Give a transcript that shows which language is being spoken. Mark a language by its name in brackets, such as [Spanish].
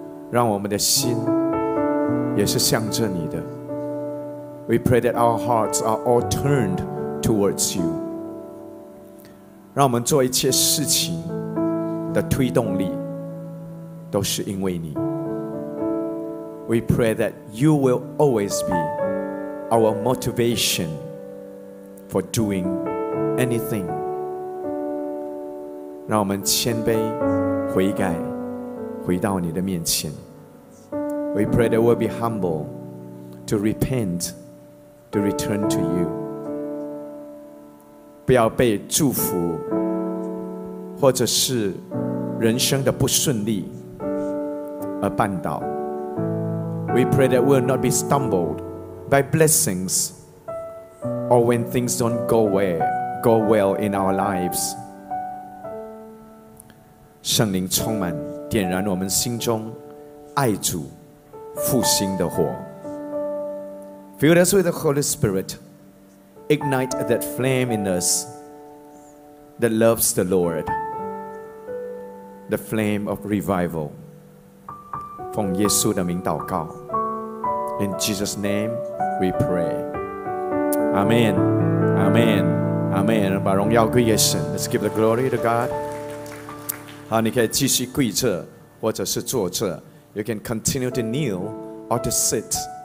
[Chinese] 让我们的心也是向着你的。 [English] We pray that our hearts are all turned towards you. [Chinese] 让我们做一切事情的推动力都是因为你。 [English] We pray that you will always be our motivation for doing anything. [Chinese] 让我们谦卑悔改回到你的面前。 [English] We pray that we'll be humble to repent to return to you， [Chinese] 不要被祝福或者是人生的不顺利而绊倒。 [English] We pray that we'll not be stumbled by blessings or when things don't go well in our lives。 [Chinese] 圣灵充满点燃我们心中爱主复兴的火。 [English] Fill us with the Holy Spirit. Ignite that flame in us that loves the Lord. The flame of revival. [Chinese] 奉耶稣的名祷告。 [English] In Jesus' name we pray. Amen. Amen. Amen. [Chinese] 把荣耀归给神。 [English] Let's give the glory to God. [Chinese] 好，你可以继续跪着或者是坐着。 [English] You can continue to kneel or to sit.